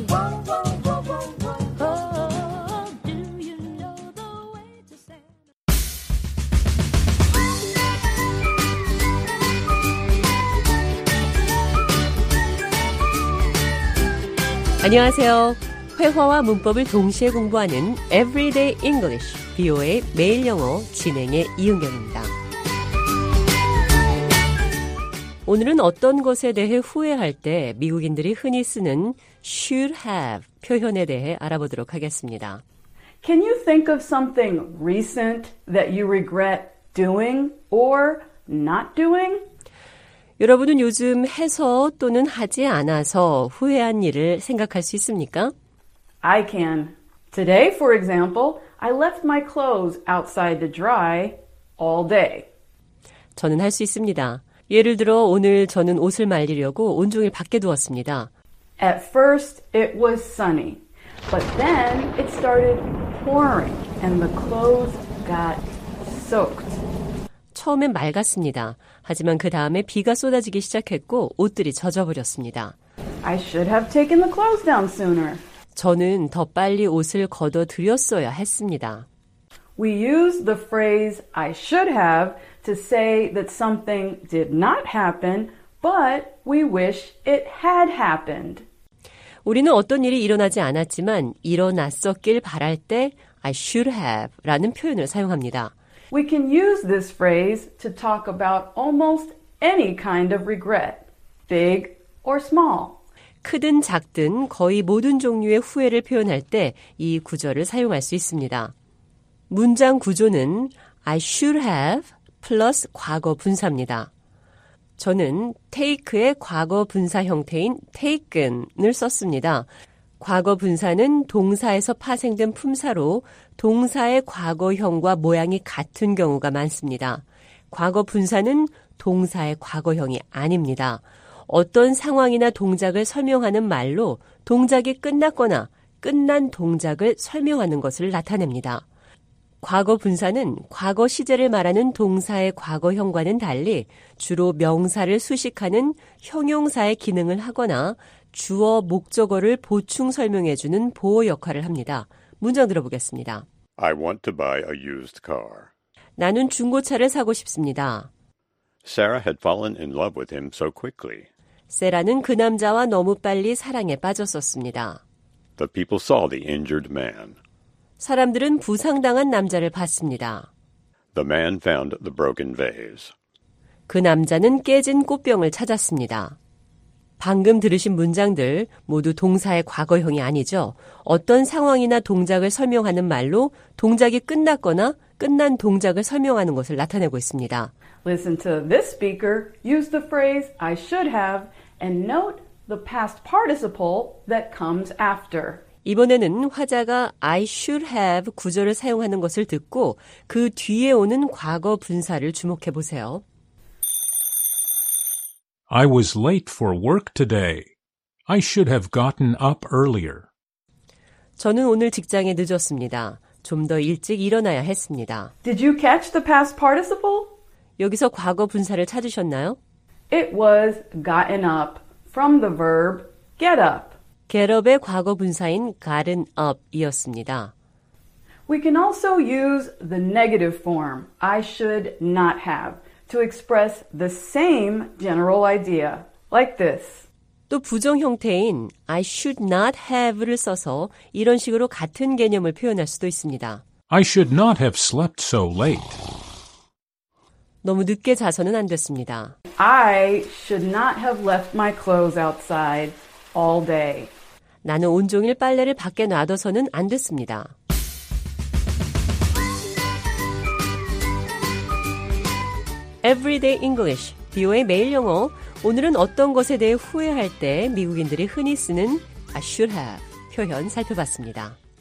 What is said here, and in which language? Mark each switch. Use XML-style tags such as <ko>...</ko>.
<en>Oh, do you know the way to San Jose?</en> <ko>안녕하세요. 회화와 문법을 동시에 공부하는</ko> <en>Everyday English.</en> <ko>VOA 매일 영어 진행의 이은경입니다. 오늘은 어떤 것에 대해 후회할 때 미국인들이 흔히 쓰는 should have 표현에 대해 알아보도록 하겠습니다.</ko> <en>Can you think of something recent that you regret doing or not doing?</en> <ko>여러분은 요즘 해서 또는 하지 않아서 후회한 일을 생각할 수 있습니까?</ko> <en>I can. Today, for example, I left my clothes outside to dry all day.</en> <ko>저는 할 수 있습니다. 예를 들어 오늘 저는 옷을 말리려고 온종일 밖에 두었습니다.</ko> <en>At first it was sunny, but then it started pouring and the clothes got soaked.</en> <ko>처음엔 맑았습니다. 하지만 그 다음에 비가 쏟아지기 시작했고 옷들이 젖어버렸습니다.</ko> <en>I should have taken the clothes down sooner.</en> <ko>저는 더 빨리 옷을 걷어들였어야 했습니다.</ko> <en>We use the phrase I should have to say that something did not happen, but we wish it had happened.</en> <ko>우리는 어떤 일이 일어나지 않았지만 일어났었길 바랄 때</ko> <en>I should have</en> <ko>라는 표현을 사용합니다.</ko> <en>We can use this phrase to talk about almost any kind of regret, big or small.</en> <ko>크든 작든 거의 모든 종류의 후회를 표현할 때 이 구절을 사용할 수 있습니다. 문장 구조는</ko> <en>I should have</en> <ko>플러스 과거 분사입니다. 저는 take의 과거 분사 형태인 taken을 썼습니다. 과거 분사는 동사에서 파생된 품사로 동사의 과거형과 모양이 같은 경우가 많습니다. 과거 분사는 동사의 과거형이 아닙니다. 어떤 상황이나 동작을 설명하는 말로 동작이 끝났거나 끝난 동작을 설명하는 것을 나타냅니다. 과거 분사는 과거 시제를 말하는 동사의 과거형과는 달리 주로 명사를 수식하는 형용사의 기능을 하거나 주어, 목적어를 보충 설명해주는 보호 역할을 합니다. 문장 들어보겠습니다.</ko> <en>I want to buy a used car.</en> <ko>나는 중고차를 사고 싶습니다.</ko> <en>Sarah had fallen in love with him so quickly.</en> <ko>세라는 그 남자와 너무 빨리 사랑에 빠졌었습니다.</ko> <en>The people saw the injured man.</en> <ko>사람들은 부상당한 남자를 봤습니다.</ko> <en>The man found the broken vase.</en> <ko>그 남자는 깨진 꽃병을 찾았습니다. 방금 들으신 문장들 모두 동사의 과거형이 아니죠. 어떤 상황이나 동작을 설명하는 말로 동작이 끝났거나 끝난 동작을 설명하는 것을 나타내고 있습니다.</ko> <en>Listen to this speaker use the phrase I should have and note the past participle that comes after.</en> <ko>이번에는 화자가</ko> <en>I should have</en> <ko>구절을 사용하는 것을 듣고 그 뒤에 오는 과거 분사를 주목해 보세요.</ko> <en>I was late for work today. I should have gotten up earlier.</en> <ko>저는 오늘 직장에 늦었습니다. 좀 더 일찍 일어나야 했습니다.</ko> <en>Did you catch the past participle?</en> <ko>여기서 과거 분사를 찾으셨나요?</ko> <en>It was gotten up from the verb get up.</en> <ko>Get up의 과거 분사인 gotten up이었습니다.</ko> <en>We can also use the negative form I should not have to express the same general idea, like this.</en> <ko>또 부정 형태인</ko> <en>I should not have</en> <ko>를 써서 이런 식으로 같은 개념을 표현할 수도 있습니다.</ko> <en>I should not have slept so late.</en> <ko>너무 늦게 자서는 안 됐습니다.</ko> <en>I should not have left my clothes outside all day.</en> <ko>나는 온종일 빨래를 밖에 놔둬서는 안 됐습니다. 에브리데이 잉글리시, 비오의 매일 영어. 오늘은 어떤 것에 대해 후회할 때 미국인들이 흔히 쓰는</ko> <en>I should have</en> <ko>표현 살펴봤습니다.</ko>